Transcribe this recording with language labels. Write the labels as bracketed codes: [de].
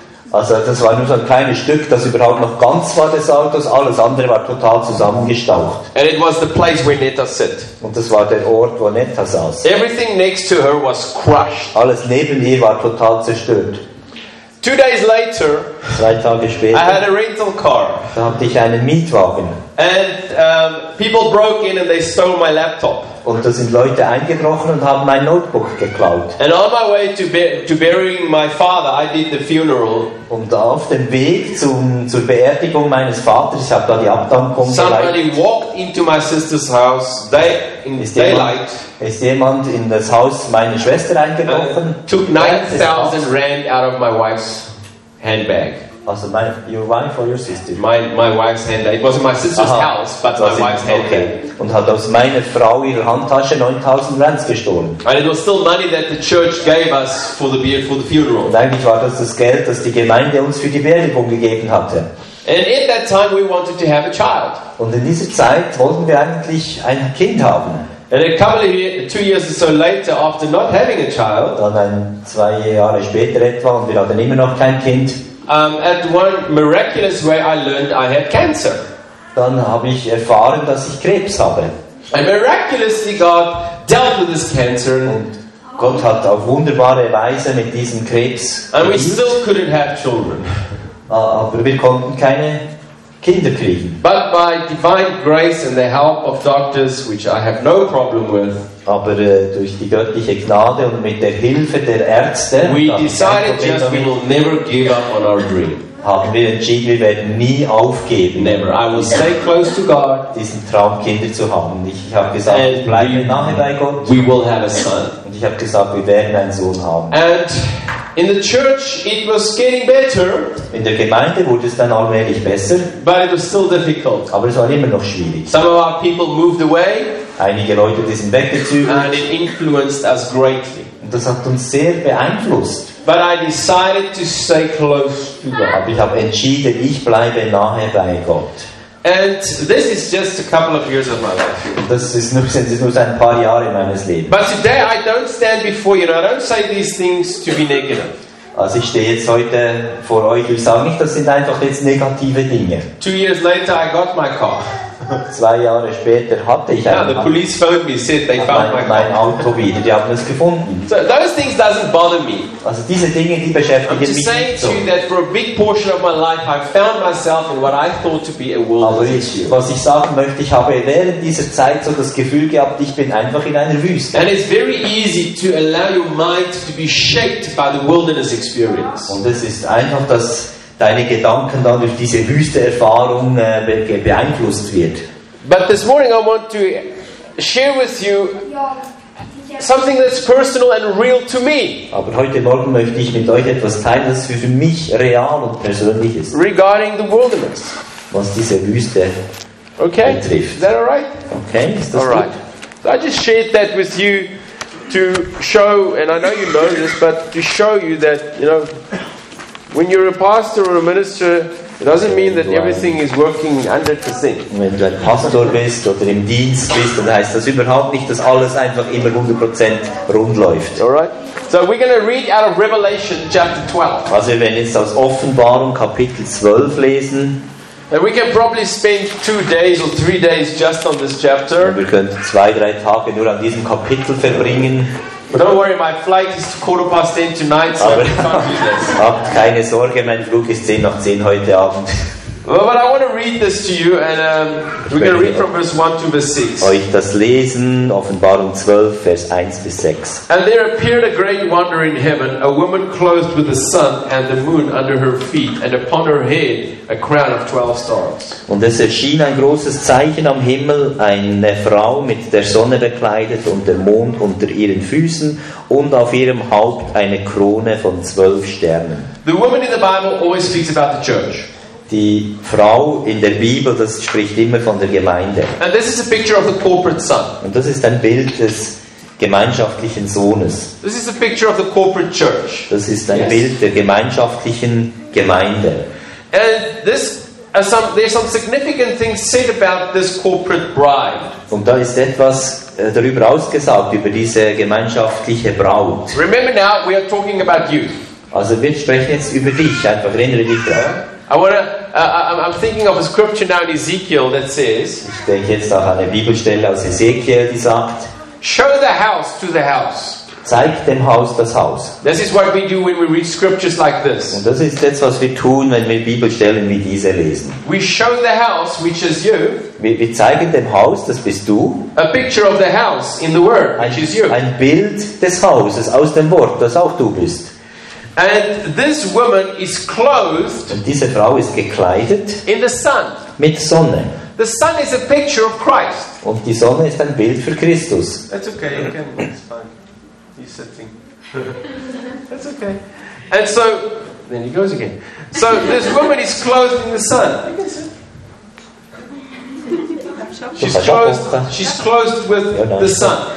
[de] Also das war nur so ein kleines Stück, das überhaupt noch ganz war des Autos, alles andere war total zusammengestaucht. [en] And it was the place where Netta sat. [de] Und das war der Ort, wo Netta saß. [en] Everything next to her was crushed. [de] Alles neben ihr war total zerstört. [en] 2 days later, [de] 2 Tage später, [en] I had a rental car. [de] Da hatte ich einen Mietwagen. [en] And people broke in and they stole my laptop. [de] Und da sind Leute eingebrochen und haben mein Notebook geklaut. [en] And on my way to burying my father, I did the funeral. [de] Und auf dem Weg zur Beerdigung meines Vaters, ich habe da die Abdankung geleitet. [en] Somebody walked into my sister's house. They in daylight. [de] Ist jemand in das Haus meiner Schwester eingebrochen? [en] Took 9,000 rand out of my wife's handbag. Also your wife or your sister? My wife's handbag. It was my sister's house, but my wife's handbag. [de] Und hat aus meiner Frau ihre Handtasche 9,000 rand gestohlen. [en] And it was still money that the church gave us for the funeral. [de] Und eigentlich war das Geld, das die Gemeinde uns für die Beerdigung gegeben hatte. [en] And in that time we wanted to have a child. [de] Und in dieser Zeit wollten wir eigentlich ein Kind haben. [en] And a couple of years, 2 years or so later, after not having a child, [de] dann 2 Jahre später etwa, und wir hatten immer noch kein Kind. [en] At one miraculous way, I learned I had cancer. [de] Dann habe ich erfahren, dass ich Krebs habe. [en] And miraculously, God dealt with this cancer. [de] Und Gott hat auf wunderbare Weise mit diesem Krebs. [en] And we still couldn't have children. [de] Aber wir konnten keine Kinder kriegen. [en] But by divine grace and the help of doctors, which I have no problem with, [de] aber durch die göttliche Gnade und mit der Hilfe der Ärzte, [en] we decided just we will never give up on our dream. [de] Haben wir entschieden, wir werden nie aufgeben. [en] Never. I will stay close to God. [de] Diesen Traum, Kinder zu haben. Ich habe gesagt, ich bleibe nahe bei Gott. [en] We will have a son. [de] Und ich habe gesagt, wir werden einen Sohn haben. [en] And in the church, it was getting better. [de] In der Gemeinde wurde es dann allmählich besser. [en] But it was still difficult. [de] Aber es war immer noch schwierig. [en] Some of our people moved away. [de] Einige Leute sind weggezogen. [en] And it influenced us greatly. [de] Und das hat uns sehr beeinflusst. [en] But I decided to stay close to God. [de] Aber ich habe entschieden, ich bleibe nahe bei Gott. [en] And this is just a couple of years of my life. [de] Das ist nur ein paar Jahre meines Lebens. [en] But today I don't stand before you. I don't say these things to be negative. [de] Also ich stehe jetzt heute vor euch. Ich sage nicht, das sind einfach jetzt negative Dinge. [en] 2 years later, I got my car. [de] 2 Jahre später hatte ich [en] ein Police phoned me, said they found [de] mein Auto wieder. Die haben es gefunden. [en] So those things doesn't bother me. [de] Also diese Dinge, die beschäftigen mich nicht so. [en] To you that for a big portion of my life, I found myself in what I thought to be a wilderness. [de] Also was ich sagen möchte, ich habe während dieser Zeit so das Gefühl gehabt, ich bin einfach in einer Wüste. [en] And it's very easy to allow your mind to be shaped by the wilderness experience. [de] Und es ist einfach das. Deine Gedanken dann durch diese Wüste-Erfahrung beeinflusst wird. [en] But this morning I want to share with you something that's personal and real to me. [de] Aber heute Morgen möchte ich mit euch etwas teilen, das für mich real und persönlich ist. [en] Regarding the wilderness. [de] Was diese Wüste [en] okay. [de] betrifft. [en] Is that all right? [de] Okay, ist das [en] all right. [de] gut? [en] So I just shared that with you to show, and I know you know this, but to show you that, you know, when you're a pastor or a minister, it doesn't mean that everything is working 100%. [de] Wenn du ein Pastor bist oder im Dienst bist, dann heißt das überhaupt nicht, dass alles einfach immer 100% rund läuft. [en] All right. So we're going to read out of Revelation chapter 12. [de] Also wir werden jetzt aus Offenbarung Kapitel 12 lesen. [en] And we can probably spend 2 days or 3 days just on this chapter. [de] Wir könnten 2-3 Tage nur an diesem Kapitel verbringen. [en] But don't worry, my flight is 10:15 tonight, so we can't do this. [de] Habt keine Sorge, mein Flug ist 10:10 heute Abend. [en] Well, but I want to read this to you, and we're going to read from verse 1 to verse 6. [de] Euch das lesen, Offenbarung 12, Vers 1 bis 6. [en] And there appeared a great wonder in heaven, a woman clothed with the sun and the moon under her feet, and upon her head a crown of 12 stars. [de] Und es erschien ein großes Zeichen am Himmel, eine Frau mit der Sonne bekleidet und der Mond unter ihren Füßen, und auf ihrem Haupt eine Krone von 12 Sternen. [en] The woman in the Bible always speaks about the church. [de] Die Frau in der Bibel, das spricht immer von der Gemeinde. [en] And this is a picture of the corporate son. [de] Und das ist ein Bild des gemeinschaftlichen Sohnes. [en] This is a picture of the corporate church. [de] Das ist ein yes. Bild der gemeinschaftlichen Gemeinde. [en] And this there's some significant things said about this corporate bride. [de] Und da ist etwas darüber ausgesagt über diese gemeinschaftliche Braut. [en] Remember now, we are talking about you. [de] Also wir sprechen jetzt über dich. Einfach erinnere dich daran. [en] I'm thinking of a scripture now in Ezekiel that says. [de] Ich denke jetzt auch an eine Bibelstelle aus Ezekiel, die sagt. [en] Show the house to the house. [de] Zeig dem Haus das Haus. [en] This is what we do when we read scriptures like this. [de] Und das ist jetzt was wir tun, wenn wir Bibelstellen wie diese lesen. [en] We show the house, which is you. [de] Wir zeigen dem Haus, das bist du. [en] A picture of the house in the Word, which is you. [de] Ein Bild des Hauses aus dem Wort, das auch du bist. [en] And this woman is clothed. [de] Und diese Frau ist gekleidet. [en] In the sun. [de] Mit Sonne. [en] The sun is a picture of Christ. [de] Und die Sonne ist ein Bild für Christus. [en] That's okay. You can. It's fine. He's sitting. That's okay. And so, then he goes again. So this woman is clothed in the sun. She's clothed with the sun.